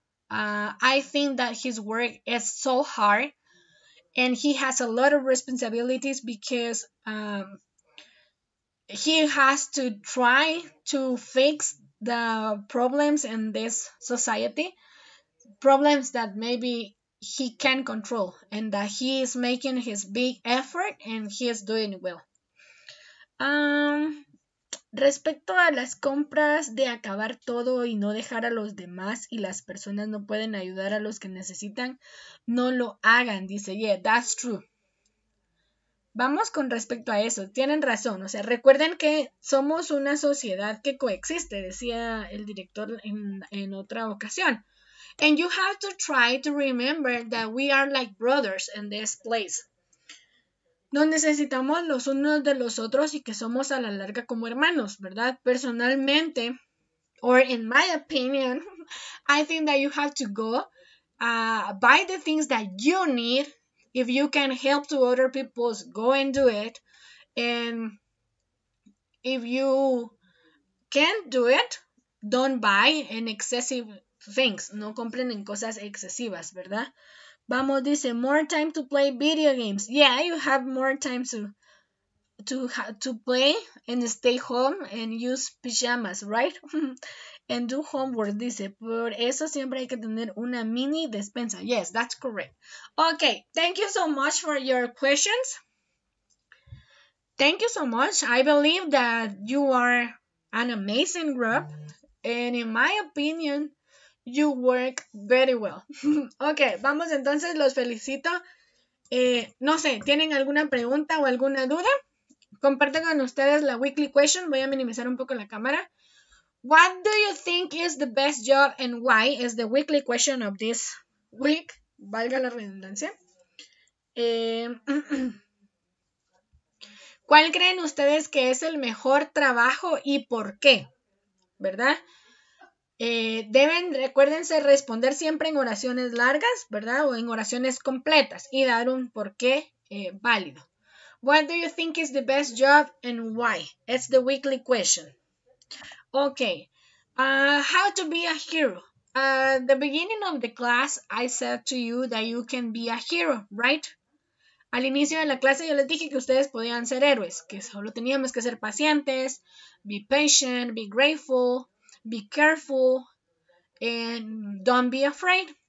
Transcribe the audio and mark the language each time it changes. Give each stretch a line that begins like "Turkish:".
English: I think that his work is so hard, and he has a lot of responsibilities because he has to try to fix the problems in this society, problems that maybe he can control, and that he is making his big effort and he is doing well.
Spanish: Respecto a las compras de acabar todo y no dejar a los demás y las personas no pueden ayudar a los que necesitan, no lo hagan, dice.
English: Yeah, that's true.
Spanish: Vamos con respecto a eso, tienen razón, o sea, recuerden que somos una sociedad que coexiste, decía el director en otra ocasión.
English: And you have to try to remember that we are like brothers in this place.
Spanish: Nos necesitamos los unos de los otros y que somos a la larga como hermanos, ¿verdad? Personalmente,
English: or in my opinion, I think that you have to go buy the things that you need. If you can help to other people, go and do it. And if you can't do it, don't buy in excessive things.
Spanish: No compren en cosas excesivas, ¿verdad? Vamos, dice,
English: more time to play video games. Yeah, you have more time to play and stay home and use pyjamas, right? And do homework,
Spanish: dice. Por eso siempre hay que tener una mini despensa.
English: Yes, that's correct. Okay, thank you so much for your questions. Thank you so much. I believe that you are an amazing group. And in my opinion, you work very well.
Spanish: Okay, vamos entonces, los felicito. No sé, ¿tienen alguna pregunta o alguna duda? Comparto con ustedes la weekly question. Voy a minimizar un poco la cámara.
English: What do you think is the best job and why is the weekly question of this week?
Spanish: Valga la redundancia. ¿Cuál creen ustedes que es el mejor trabajo y por qué? ¿Verdad? Deben, recuérdense, responder siempre en oraciones largas, ¿verdad? O en oraciones completas y dar un por qué válido.
English: What do you think is the best job and why? It's the weekly question. Okay, how to be a hero? At the beginning of the class, I said to you that you can be a hero, right?
Spanish: Al inicio de la clase yo les dije que ustedes podían ser héroes, que solo teníamos que ser pacientes,
English: be patient, be grateful, be careful, and don't be afraid.